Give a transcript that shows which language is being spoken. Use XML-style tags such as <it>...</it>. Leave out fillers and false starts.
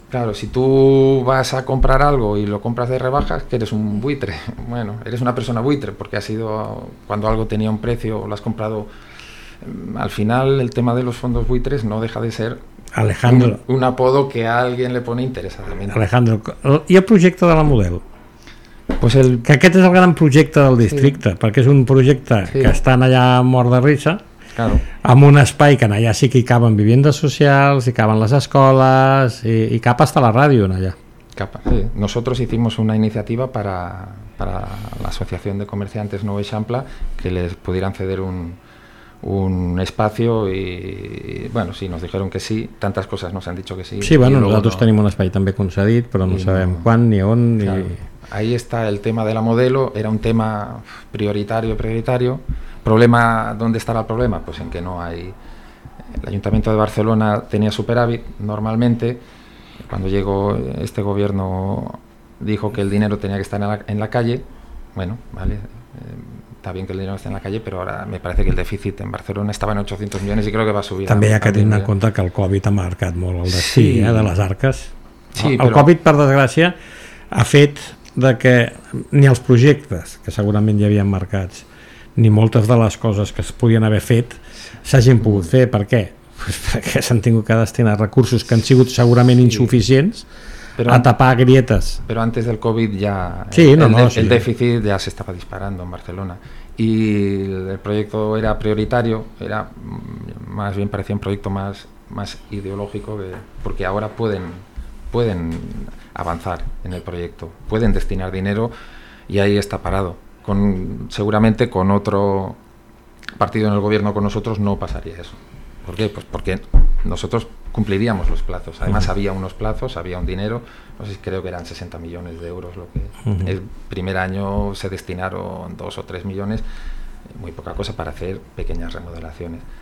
<es>Claro, si tú vas a comprar algo y lo compras de rebajas, que eres un buitre. Bueno, eres una persona buitre, porque ha sido... Cuando algo tenía un precio, lo has comprado... Al final, el tema de los fondos buitres no deja de ser... Alejandro. Un apodo que a alguien le pone interesadamente. Alejandro, ¿y el proyecto de la Model? Pues el...</es> <ca>que aquest és el gran projecte del districte, sí. Perquè és un projecte sí. que estan allà mort de risa,</ca> <es>claro.</es> <ca>Amb un espai que allà sí que hi caben vivendes socials, hi caben les escoles, i cap hasta la ràdio allà. Cap, sí.</ca> <es>Nosotros hicimos una iniciativa para la Asociación de Comerciantes Nou Eixample, que les pudieran ceder un espacio, y bueno, sí, nos dijeron que sí, tantas cosas nos han dicho que sí.</es> <ca>Sí, bueno, nosaltres no... tenim un espai també concedit, però no sabem quan ni on, claro. Ni...</ca> <es>Ahí está el tema de la Modelo, era un tema prioritario. Problema, ¿dónde estará el problema? Pues en que no hay... El Ayuntamiento de Barcelona tenía superávit normalmente. Cuando llegó este gobierno dijo que el dinero tenía que estar en la calle. Bueno, vale, está bien que el dinero esté en la calle, pero ahora me parece que el déficit en Barcelona estaba en 800 millones y creo que va a subir. También hay que tener en cuenta que el COVID</es> <ca>ha marcat molt el destí,</ca> <es>sí. De las arcas. Sí,</es> <ca>el COVID, per desgràcia, ha fet... de que ni els projectes que segurament ja havien marcats ni moltes de les coses que es podien haver fet s'hagin pogut fer. Per què? Pues perquè s'han tingut que destinar recursos que han sigut segurament insuficients, sí.</ca> <es>A tapar grietes.</es> <ca>Però antes del Covid ja sí, sí. El déficit ja s'estava disparant en Barcelona, i el projecte era prioritari, era més bien parecía un projecte més ideològic, perquè ara</ca> <es>pueden avanzar en el proyecto, pueden destinar dinero, y ahí está parado. Seguramente con otro partido en el gobierno con nosotros no pasaría eso. ¿Por qué? Pues porque nosotros cumpliríamos los plazos. Además, uh-huh. Había unos plazos, había un dinero, no sé si creo que eran 60 millones de euros lo que uh-huh. El primer año se destinaron 2 o 3 millones, muy poca cosa para hacer pequeñas remodelaciones.</es>